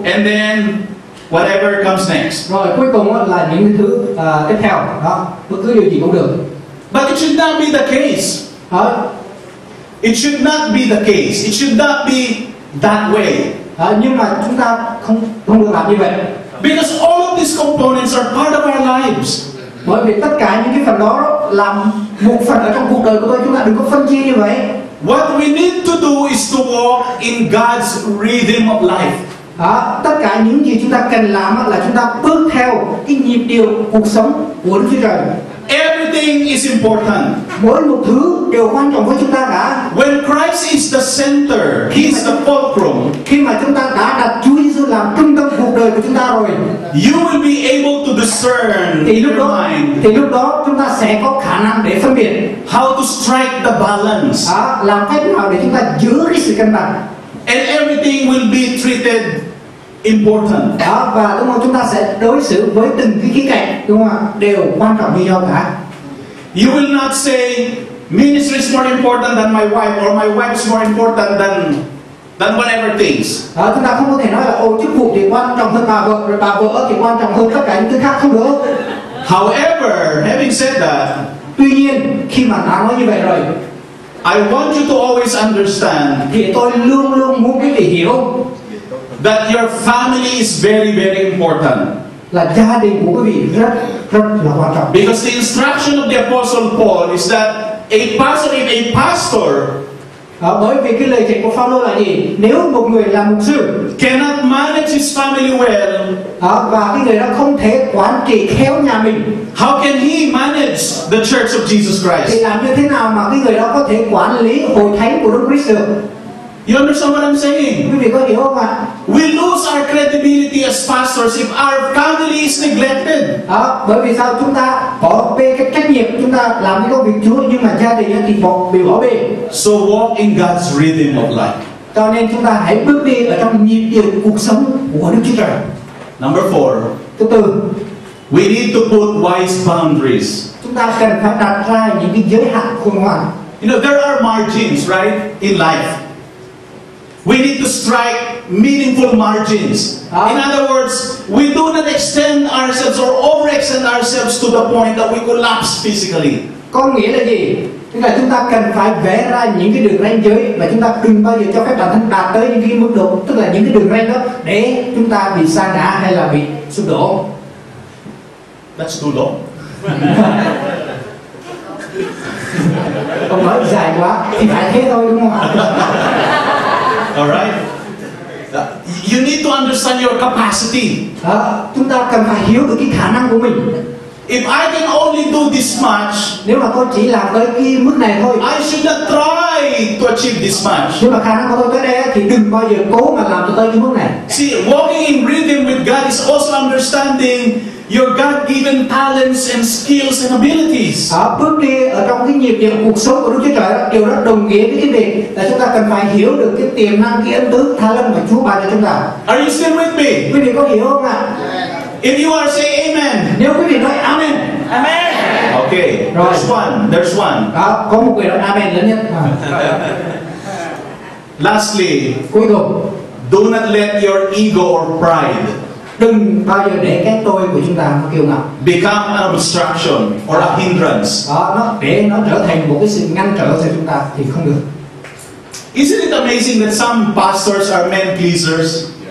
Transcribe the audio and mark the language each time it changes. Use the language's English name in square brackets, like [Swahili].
[English] And then whatever comes next. [Vietnamese] Rồi cuối cùng là những thứ tiếp theo đó, bất cứ điều gì cũng được. [English] But it should not be the case. It should not be the case. It should not be that way. [Vietnamese] Nhưng mà chúng ta không được làm như vậy. [English] Because all of these components are part of our lives. [Vietnamese] Bởi vì tất cả những cái phần đó là một phần ở trong cuộc đời của tôi. Chúng ta đừng có phân chia như vậy. [English] What we need to do is to walk in God's rhythm of life. [Vietnamese] Tất cả những gì chúng ta cần làm là chúng ta bước theo cái nhịp điệu cuộc sống của Đức Chúa Trời. [English] Everything is important. [Vietnamese] Mỗi một thứ đều quan trọng với chúng ta cả. [English] When Christ is the center, He's the fulcrum. [Vietnamese] Khi mà chúng ta đã đặt Chúa Giêsu làm trung tâm cuộc đời của chúng ta rồi, [English] you will be able to discern your mind. [Vietnamese] Thì lúc đó chúng ta sẽ có khả năng để phân biệt [English] how to strike the balance. [Vietnamese] À, làm cách nào để chúng ta giữ cái sự cân bằng. [English] And everything will be treated important. [Vietnamese] À, và đúng không? Chúng ta sẽ đối xử với từng cái khía cạnh, đúng không? Đều quan trọng như nhau cả. [English] You will not say ministry is more important than my wife or my wife is more important than whatever things. [Vietnamese] À, chúng ta không có thể nói là chức vụ thì quan trọng hơn bà vợ thì quan trọng hơn tất cả những thứ khác, không được. [English] However, having said that, [Vietnamese] tuy nhiên khi mà đã nói như vậy rồi, [English] I want you to always understand. [Vietnamese] Thì tôi luôn luôn muốn quý vị hiểu [English] that your family is very very important. [Vietnamese] Là gia đình của quý vị rất là quan trọng. [English] Because the instruction of the apostle Paul is that a pastor [Vietnamese] à, bởi vì cái lời dạy của Phaolô là gì? Nếu một người làm mục sư [English] cannot manage his family well, [Vietnamese] à, và cái người đó không thể quản trị khéo nhà mình, [English] how can he manage the church of Jesus Christ? [Vietnamese] Thì làm như thế nào mà cái người đó có thể quản lý hội thánh của Đức Christ được? [English] You understand what I'm saying? [Vietnamese] Quý vị có hiểu không ạ? [English] We lose our credibility as pastors if our family is neglected. [Vietnamese] À, bởi vì sao? Chúng ta bỏ bê cái trách nhiệm, chúng ta làm cái công việc Chúa nhưng mà gia đình thì bỏ bê. [English] So walk in God's rhythm of life. [Vietnamese] Cho nên chúng ta hãy bước đi ở trong nhịp điệu cuộc sống của Đức Chúa Trời. [English] Number four. [Vietnamese] Thứ tư. [English] We need to put wise boundaries. [Vietnamese] Chúng ta cần phải đặt ra những cái giới hạn khôn ngoan. [English] You know there are margins, right, in life. We need to strike meaningful margins. In other words, we do not extend ourselves or overextend ourselves to the point that we collapse physically. [Vietnamese] Có nghĩa là gì? Tức là chúng ta cần phải vẽ ra những cái đường ranh giới mà chúng ta đừng bao giờ cho phép bản thân đạt tới những cái mức độ, tức là những cái đường ranh đó để chúng ta bị sa ngã hay là bị sụp đổ. [English] That's too long. [Vietnamese] Ông nói dài quá, thì phải thế thôi đúng không ạ? [English] All right. You need to understand your capacity. [Vietnamese] À, chúng ta cần phải hiểu được cái khả năng của mình. [English] If I can only do this much, [Vietnamese] nếu mà tôi chỉ làm tới cái mức này thôi, [English] I should not try to achieve this much. [Vietnamese] Nếu mà khả năng của tôi tới đây thì đừng bao giờ cố mà làm tới cái mức này. [English] See, walking in rhythm with God is also understanding your God-given talents and skills and abilities. [Vietnamese] À, bước đi ở trong cái nhịp điệu cuộc sống của Đức Chúa Trời đều rất đồng nghĩa với cái việc là chúng ta cần phải hiểu được cái tiềm năng, cái ân tứ, talent mà Chúa ban cho chúng ta. [English] Are you still with me? [Vietnamese] Quý vị có hiểu không ạ? [English] If you are say amen. [Vietnamese] Nếu quý vị nói amen. [English] Amen. Okay. Rồi. There's one. [Vietnamese] À, có một người nói amen lớn nhất. [English] Lastly. [Vietnamese] Cuối cùng. [English] Do not let your ego or pride. [Vietnamese] Đừng bao giờ để cái tôi của chúng ta nó kiêu ngạo. [English] Become an obstruction or a hindrance. [Vietnamese] À, nó trở thành một cái sự ngăn trở cho chúng ta thì không được. [English] Isn't it amazing that some pastors are men pleasers?